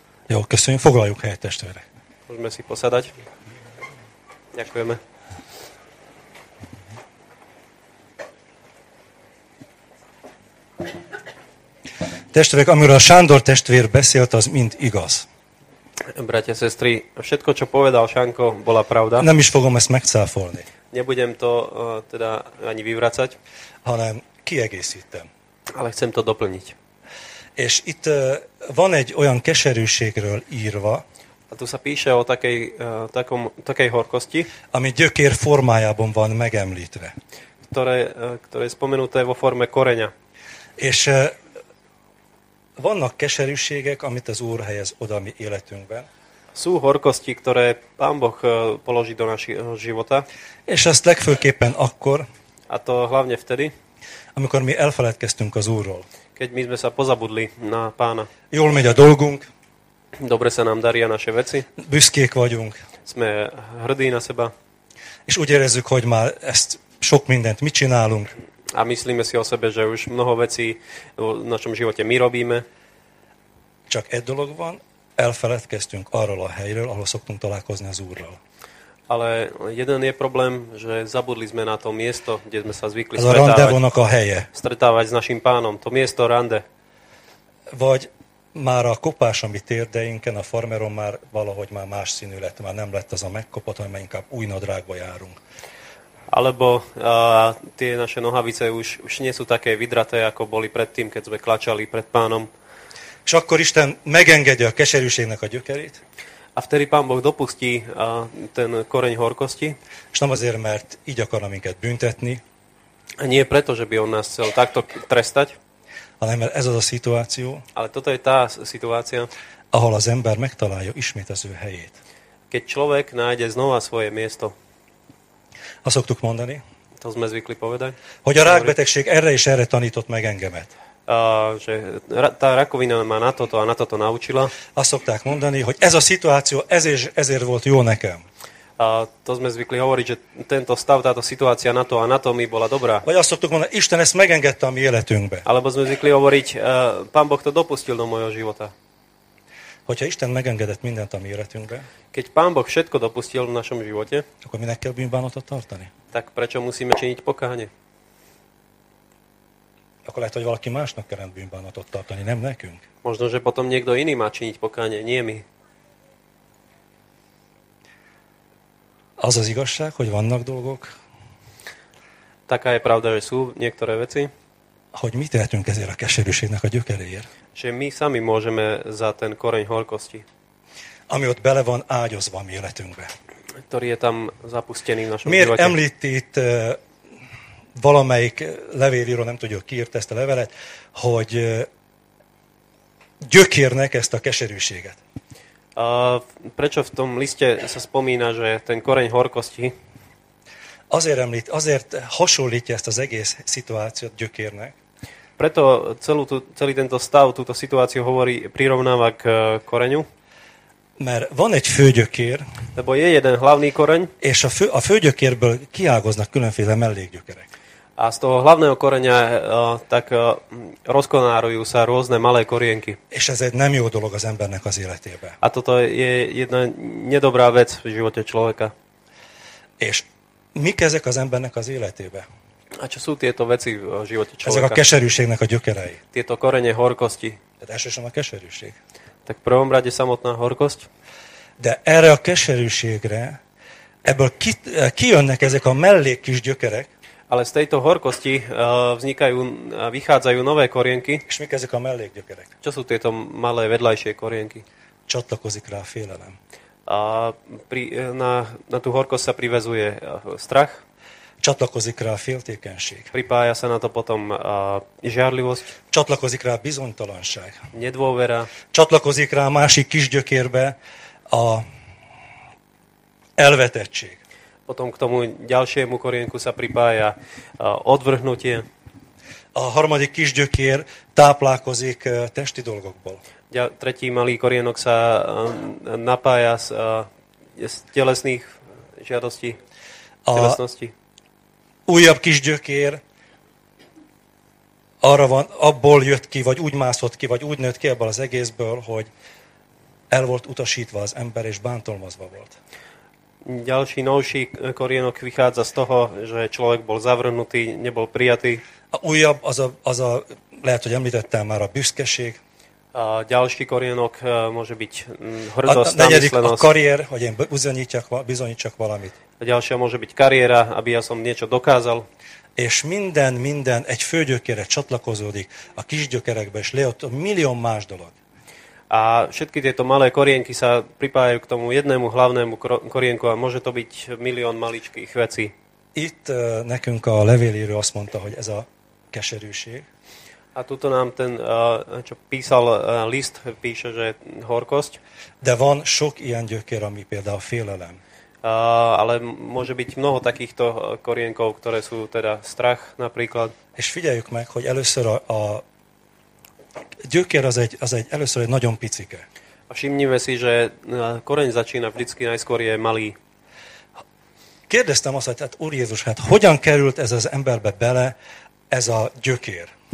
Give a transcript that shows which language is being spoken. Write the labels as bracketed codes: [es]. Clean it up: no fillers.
[hu] Jo, köszönjük, foglaljuk helyet, testvére. [sk] Môžeme si posadať. Ďakujeme. [hu] Testvérek, amiről Sándor testvér beszélt, az mind igaz. [sk] Bratia, sestry, všetko, čo povedal Šanko, bola pravda. [hu] Nem is fogom ezt megcáfolni. [sk] Nebudem to teda ani vyvracať. [hu] Hanem kiegészítem. [sk] Ale chcem to doplniť. [hu] És itt van egy olyan keserűségről írva. [sk] A tu sa píše o takej, takej horkosti. [hu] Ami gyökér formájában van megemlítve. [sk] Ktoré je spomenuté vo forme koreňa. [hu] És vannak keserűségek, amit az Úr helyez oda mi életünkben. [sk] Sú horkosti, ktoré Pán Boh položí do našeho života. [hu] És ezt legfőképpen akkor, [sk] a to hlavne vtedy, [hu] amikor mi elfeledkeztünk az Úrról. [sk] Keď my sme sa pozabudli na Pána. [hu] Jól megy a dolgunk. [sk] Dobre sa nám darí a naše veci. [hu] Büszkék vagyunk. [sk] Sme hrdí na seba. [hu] És úgy érezzük, hogy már ezt sok mindent mi csinálunk. [sk] A myslíme si o sebe, že už mnoho vecí v našom živote my robíme. [hu] Csak egy dolog van, elfeledkeztünk arról a helyről, ahol szoktunk találkozni az Úrral. [sk] Ale jeden je problém, že zabudli sme na to miesto, kde sme sa zvykli stretávať s našim Pánom. To miesto rande. [hu] Vagy már a kopás, ami térdeinken, a farmeron már valahogy már más színű lett, már nem lett az a megkopott, hanem inkább új nadrágba járunk. [sk] Alebo tie naše nohavice už nie sú také vydraté, ako boli predtým, keď sme klačali pred Pánom. [hu] És akkor Isten megengedi a keserűségnek a gyökerét. [sk] A vtedy Pán Boh dopustí ten koreň horkosti. [hu] És nem azért, mert így akarna minket büntetni. [sk] A nie preto, že by on nás chcel takto trestať. [hu] Ale mert ez az a situáció. [sk] Ale toto je tá situácia. [hu] Ahol az ember megtalálja ismét az ő helyét. [sk] Keď človek nájde znova svoje miesto. [hu] A szoktuk mondani. [sk] To sme zvykli povedať. [hu] Hogy a rákbetegség erre és erre tanított meg engemet. [sk] Že tá rakovina ma na toto a na toto naučila. [hu] A szokták mondani, hogy ez a situáció ezért volt jó nekem. [sk] To sme zvykli hovoriť, že tento stav, táto situácia na to a na to mi bola dobrá. [hu] Vagy azt szoktuk mondani, Isten ezt megengedte a mi életünkbe. [sk] Alebo sme zvykli hovoriť, Pán Boh to dopustil do mojho života. [hu] Hogyha Isten megengedett mindent a mi életünkbe. [sk] Keď Pán Boh všetko dopustil v našom živote. [hu] Akkor minek kell bűnbánatot tartani? [sk] Tak prečo musíme činiť pokáhne? [hu] Akkor lehet, hogy valaki másnak kell bűnbánatot tartani, nem nekünk. [sk] Možno, že potom niekto iný má činiť pokáhne, nie my. [hu] Az az igazság, hogy vannak dolgok. [sk] Taká je pravda, že sú niektoré veci. [hu] Hogy mi tehetünk ezért a keserűségnek a gyökeréért. [sk] Že my sami môžeme za ten koreň horkosti. [hu] Ami ott bele van ágyozva a mi életünkbe. [sk] Ktorý je tam zapustený v našom [hu] miért [sk] živote. [hu] Említ itt valamelyik levélíró, nem tudja, ki írt ezt a levelet, hogy gyökérnek ezt a keserűséget. [sk] Prečo v tom liste sa spomína, že ten koreň horkosti? [hu] Azért hasonlítja ezt az egész situációt gyökérnek. [sk] Preto celý tento stav, túto situáciu hovorí, prirovnáva k koreňu. [hu] Mert van egy főgyökér. [sk] Lebo je jeden hlavný koreň. [hu] És a főgyökérből kiágoznak különféle mellékgyökerek. [sk] A z toho hlavného koreňa tak rozkonárujú sa rôzne malé korienky. [hu] És ez egy nem jó dolog az embernek az életében. [sk] A toto je jedna nedobrá vec v živote človeka. [hu] És mik ezek az embernek az életébe? Hát csak szóval [sk] tieto veci v živote človeka. [hu] Ezek a keserűségnek a gyökerei. [sk] Tieto korene horkosti. [hu] Tehát elsősorban a keserűség. [sk] Tak v prvom rade samotná horkosť. [hu] De erre a keserűségre, ebből kijönnek ezek a mellék kis gyökerek. [sk] Ale z tejto horkosti vznikajú, vychádzajú nové korienky. [hu] És mik ezek a mellék gyökerek? [sk] Čo sú tieto malé vedľajšie korienky? [hu] Čatlakozik rá félelem. [sk] A pri, na tú horkosť sa privezuje strach. [hu] Čatlakozik rá féltékenység. [sk] Pripája sa na to potom žiarlivosť. [hu] Čatlakozik rá bizonytalanság. [sk] Nedôvera. [hu] Čatlakozik rá másik kis gyökérbe a elvetettség. [sk] Potom k tomu ďalšiemu korienku sa pripája odvrhnutie. [hu] A harmadik kis gyökér táplálkozik testi dolgokból. [sk] Tretí malý korienok sa napája z telesných žiadostí, telesnosti. [hu] Újabb kis gyökér arra van, abból jött ki, vagy úgy mászott ki, vagy úgy nőtt ki ebből az egészből, hogy el volt utasítva az ember, és bántalmazva volt. [sk] Ďalší novší korienok vychádza z toho, že človek bol zavrnutý, nebol prijatý. [hu] A újabb, az a lehet, hogy említettem már, a büszkeség. [sk] A ďalší korienok môže byť hrdosť, námyslenosť. [hu] A kariér, hogy én bizonyítsak valamit. [sk] A ďalšia môže byť kariéra, aby ja som niečo dokázal. [hu] És minden egy főgyökére csatlakozódik a kisgyökerekbe, és lejött millió más dolog. [sk] A všetky tieto malé korienky sa pripájajú k tomu jednému hlavnému korienku a môže to byť milión maličkých vecí. [hu] Itt nekünk a levélíró azt mondta, hogy ez a keserűség. [sk] A tuto nám ten, čo písal list, píše, že horkosť. [hu] De van sok ilyen gyökér, ami például félelem. [sk] Ale môže byť mnoho takýchto korienkov, ktoré sú teda strach napríklad. [hu] És figyeljük meg, hogy először a gyökér az egy először egy nagyon picike. [sk] A všimnime si, že koreň začína vždycky najskôr je malý. [hu] Kérdeztem azt, hogy hát Úr Jézus, hát hogyan került ez az emberbe bele ez a gyökér?